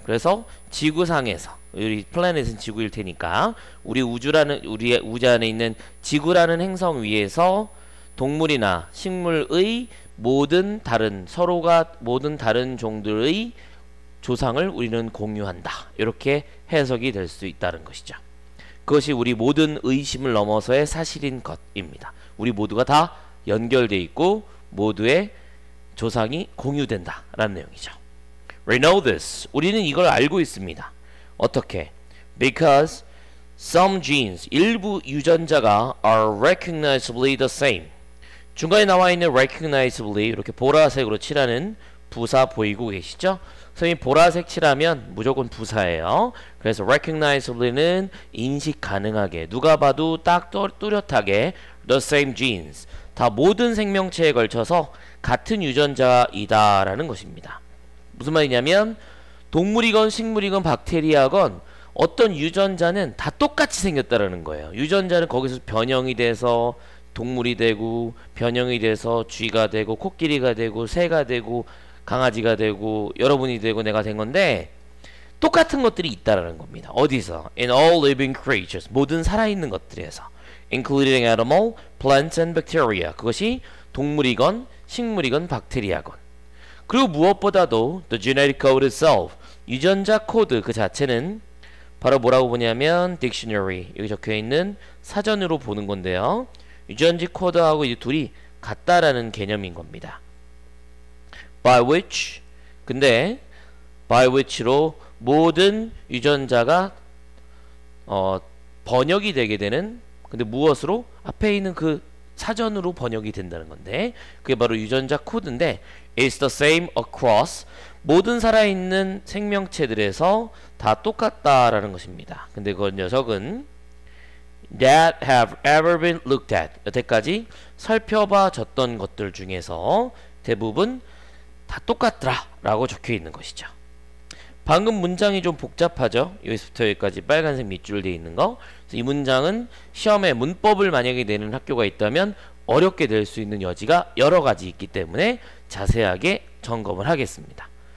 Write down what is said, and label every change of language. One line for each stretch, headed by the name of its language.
Korean: 그래서 지구상에서 우리 플래닛은 지구일 테니까 우리 우주라는 우리 우주 안에 있는 지구라는 행성 위에서 동물이나 식물의 모든 다른 서로가 모든 다른 종들의 조상을 우리는 공유한다 이렇게 해석이 될 수 있다는 것이죠. 그것이 우리 모든 의심을 넘어서의 사실인 것입니다. 우리 모두가 다 연결돼 있고 모두의 조상이 공유된다라는 내용이죠.
English: We know this.
Korean: 우리는 이걸 알고 있습니다. 어떻게?
English: Because some genes,
Korean: 일부 유전자가
English: are recognizably the same.
Korean: 중간에 나와 있는 recognizably, 이렇게 보라색으로 칠하는 부사 보이고 계시죠? 선생님, 보라색 칠하면 무조건 부사예요. 그래서 recognizably는 인식 가능하게, 누가 봐도 딱 뚜렷하게
English: the same genes,
Korean: 다 모든 생명체에 걸쳐서 같은 유전자이다라는 것입니다. 무슨 말이냐면 동물이건 식물이건 박테리아건 어떤 유전자는 다 똑같이 생겼다라는 거예요. 유전자는 거기서 변형이 돼서 동물이 되고 변형이 돼서 쥐가 되고 코끼리가 되고 새가 되고 강아지가 되고 여러분이 되고 내가 된 건데 똑같은 것들이 있다라는 겁니다. 어디서?
English: In all living creatures,
Korean: 모든 살아있는 것들에서
English: including animal, plants and bacteria,
Korean: 그것이 동물이건 식물이건 박테리아건. 그리고 무엇보다도
English: the genetic code itself,
Korean: 유전자 코드 그 자체는 바로 뭐라고 보냐면 dictionary, 여기 적혀있는 사전으로 보는 건데요. 유전자 코드하고 이 둘이 같다라는 개념인 겁니다.
English: By which,
Korean: 근데 by which로 모든 유전자가 번역이 되게 되는, 근데 무엇으로? 앞에 있는 그 사전으로 번역이 된다는 건데 그게 바로 유전자 코드인데
English: is the same across
Korean: 모든 살아있는 생명체들에서 다 똑같다라는 것입니다. 근데 그 녀석은
English: that have ever been looked at.
Korean: 여태까지 살펴봐졌던 것들 중에서 대부분 다 똑같더라 라고 적혀 있는 것이죠. 방금 문장이 좀 복잡하죠. 여기서부터 여기까지 빨간색 밑줄 돼 있는 거. 그래서 이 문장은 시험에 문법을 만약에 내는 학교가 있다면 어렵게 될 수 있는 여지가 여러 가지 있기 때문에 자세하게 점검을 하겠습니다.